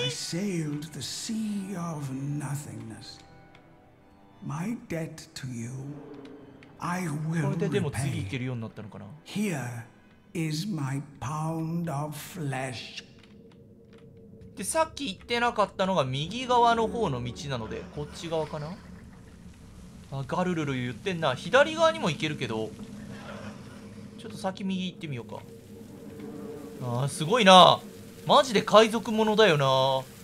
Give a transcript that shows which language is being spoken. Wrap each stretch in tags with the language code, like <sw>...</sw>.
<en>I sailed the sea of nothingness. My debt to you, I will repay.</en> <ja>これででも次いけるようになったのかな。</ja> <en>Here is my pound of flesh.</en> <ja>で、さっき言ってなかったのが右側の方の道なので、こっち側かな？あ、ガルルル言ってんな。左側にも行けるけど、ちょっと先右行ってみようか。あー、すごいな。マジで海賊ものだよな。</ja>